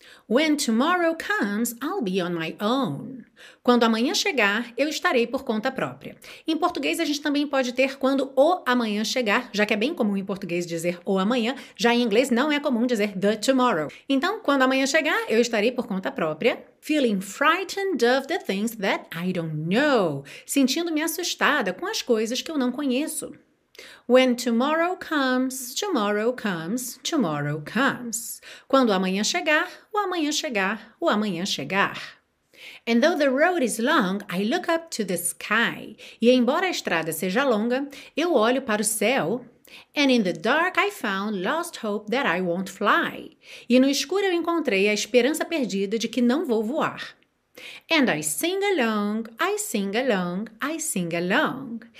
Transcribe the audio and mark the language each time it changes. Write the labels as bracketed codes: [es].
[en] When tomorrow comes, I'll be on my own. [pt] Quando amanhã chegar, eu estarei por conta própria. Em português, a gente também pode ter quando o amanhã chegar, já que é bem comum em português dizer o amanhã, já em inglês não é comum dizer the tomorrow. Então, quando amanhã chegar, eu estarei por conta própria. [en] Feeling frightened of the things that I don't know. [pt] Sentindo-me assustada com as coisas que eu não conheço. [en] When tomorrow comes, tomorrow comes, tomorrow comes. [pt] Quando amanhã chegar, o amanhã chegar, o amanhã chegar. [en] And though the road is long, I look up to the sky. [pt] E embora a estrada seja longa, eu olho para o céu. [en] And in the dark I found lost hope that I won't fly. [pt] E no escuro eu encontrei a esperança perdida de que não vou voar. [en] And I sing along, I sing along, I sing along.